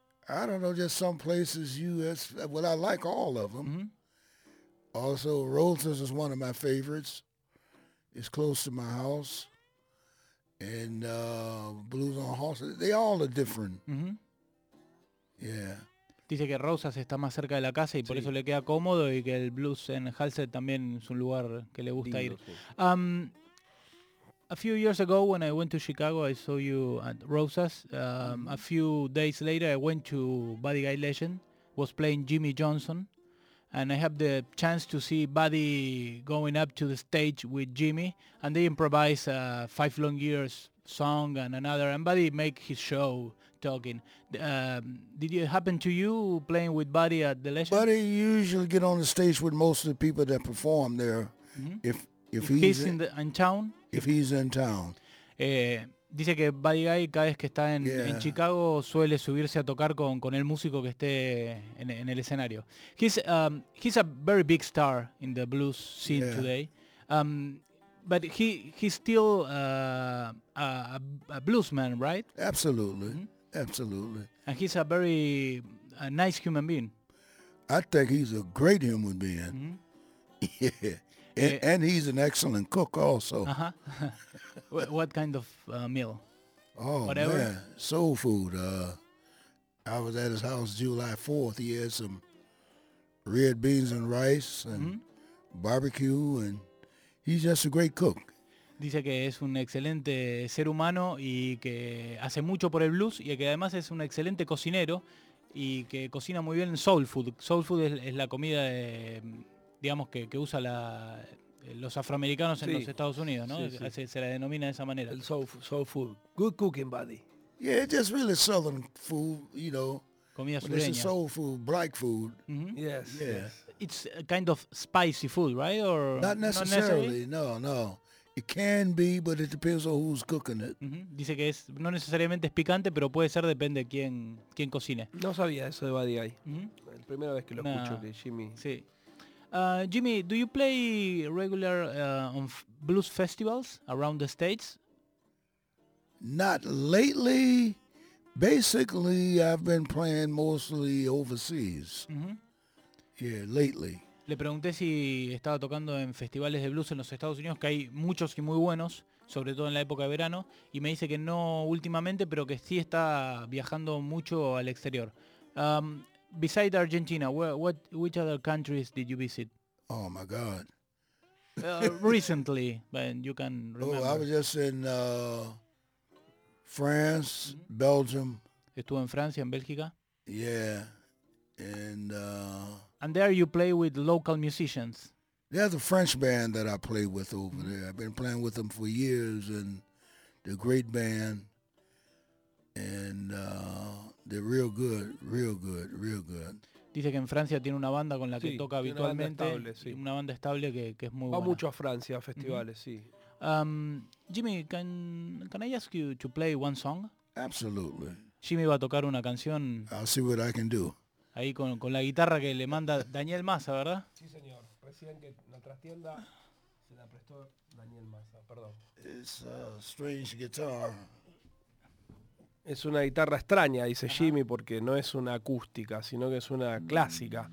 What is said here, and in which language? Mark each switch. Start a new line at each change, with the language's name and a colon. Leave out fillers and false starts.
English: I don't know, just some places, U.S., well, I like all of them. Mm-hmm. Also, Rosas is one of my favorites. It's close to my house. And Blues on Horses, they all are different. Mm-hmm. Yeah.
Spanish: Dice que Rosas está más cerca de la casa y por sí. Eso le queda cómodo, y que el blues en Halstead también es un lugar que le gusta lindo, ir.
English: A few years ago, when I went to Chicago, I saw you at Rosas. A few days later, I went to Buddy Guy Legend, was playing Jimmy Johnson. And I had the chance to see Buddy going up to the stage with Jimmy. And they improvise a Five Long Years song and another. And Buddy make his show talking. Did it happen to you playing with Buddy at the Legend? Buddy usually get on the stage with most of the people that perform there. Mm-hmm. If he's in town? If he's in town.
Spanish: Dice que Buddy Guy, cada vez que está en Chicago, suele subirse a tocar con el músico que esté en el escenario.
English: He's a very big star in the blues scene today. But he's still a bluesman, right? Absolutely. Mm-hmm. Absolutely. And he's a very nice human being. I think he's a great human being. Mm-hmm. Yeah. And he's an excellent cook also. Uh-huh. What kind of meal? Oh, whatever. Man, soul food. I was at his house July 4th. He had some red beans and rice and barbecue, and he's just a great cook.
Spanish: Dice que es un excelente ser humano y que hace mucho por el blues y que además es un excelente cocinero y que cocina muy bien soul food. Soul food es la comida de, digamos que usa los afroamericanos en los Estados Unidos, ¿no? Se la denomina de esa manera. El soul food.
English: Good cooking, buddy. Yeah, it's just really southern food, you know.
Spanish: Comida sureña.
English: It's a soul food, black food. Mm-hmm. Yes, yeah. It's a kind of spicy food, right? Or Not necessarily. It can be, but it depends on who's cooking it. Mm-hmm.
Spanish: Dice que es no necesariamente es picante, pero puede ser, depende de quién cocine. No sabía eso de Buddy Guy. Mm-hmm. La primera vez que lo escucho, que Jimmy. Sí.
English: Jimmy, do you play regular on blues festivals around the States? Not lately. Basically, I've been playing mostly overseas. Mm-hmm. Yeah, lately.
Spanish: Le pregunté si estaba tocando en festivales de blues en los Estados Unidos, que hay muchos y muy buenos, sobre todo en la época de verano, y me dice que no últimamente, pero que sí está viajando mucho al exterior.
English: Beside Argentina, which other countries did you visit? Oh, my God. recently, but you can remember. Oh, I was just in France, mm-hmm. Belgium.
Spanish: Estuvo en Francia, en Bélgica.
English: Yeah, and... And there you play with local musicians. There's a French band that I play with over mm-hmm. there. I've been playing with them for years, and they're a great band. And they're real good, real good, real good.
Spanish: Dice que en Francia tiene una banda con la que toca habitualmente. Una banda estable, sí. Una banda estable que es muy buena. Va mucho a Francia, a festivales, mm-hmm. sí.
English: Jimmy, can I ask you to play one song? Absolutely.
Spanish: Jimmy va a tocar una canción.
English: I'll see what I can do.
Spanish: Ahí con la guitarra que le manda Daniel Massa, ¿verdad? Sí, señor. Recién que en la trastienda se la prestó Daniel Massa. Perdón.
English: It's a strange guitar.
Spanish: Es una guitarra extraña, dice Jimmy, porque no es una acústica, sino que es una clásica.